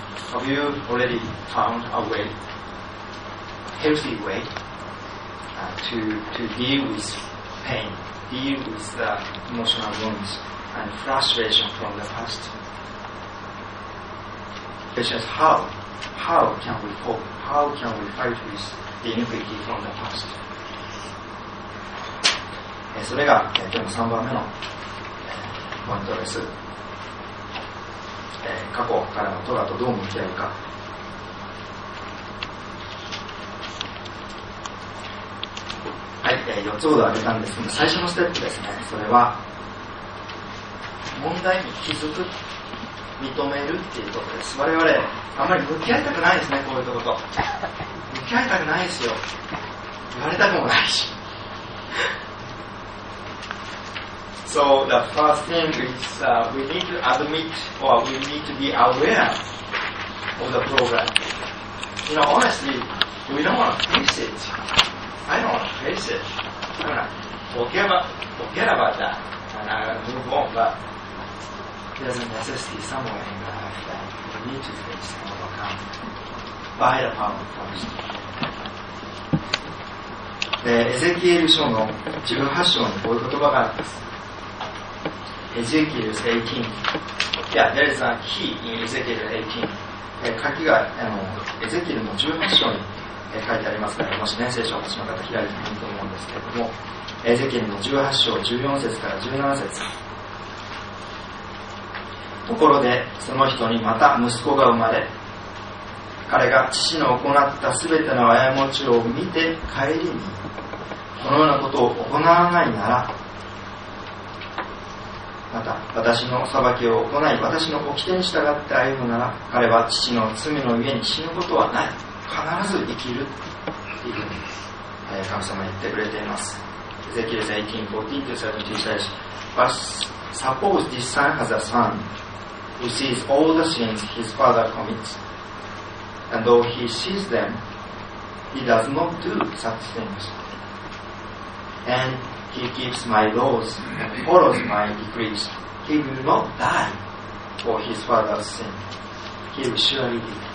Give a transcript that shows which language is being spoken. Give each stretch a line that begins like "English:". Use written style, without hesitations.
English: Have you already found a wayhealthy way to deal with pain, deal with the emotional wounds and frustration from the past? Because how can we cope? How can we fight with the iniquity from the past?
Japanese: それが今日の3番目のポイントです。過去からのトラとどう向き合うか。はい、4つほど挙げたんですが、最初のステップですね、それは問題に気づく、認めるっていうことです。我々あんまり向き合いたくないですね、こういうとこと向き合いたくないですよ、言われたくもないし。
English: So the first thing is、we need to admit or we need to be aware of the program. You know, honestly, we don't want to fix itI don't want to face it. I'm gonna forget about that and I'm gonna move on. But there's a necessity somewhere in your life that you need to face and overcome by the power of Christ.
Japanese: エゼキエル書の18章にこういう言葉があります。エゼキエル18。
English: Yeah, there is a key in Ezekiel 18.
Japanese: 書きがエゼキエルの18章に書いてありますから、もし、ね、聖書をお持ちの方開いてもいいと思うんですけれども、エゼキエルの18章14節から17節。ところでその人にまた息子が生まれ、彼が父の行ったすべての過ちを見て帰りに、このようなことを行わないなら、また私の裁きを行い私の掟に従って歩むなら、彼は父の罪の上に死ぬことはない、必ず生きるというふうに神様は言ってくれています。エゼキエル18:14-17
English: says, But suppose this son has a son who sees all the sins his father commits, and though he sees them, he does not do such things, and he keeps my laws and follows my decrees, he will not die for his father's sin, he will surely live.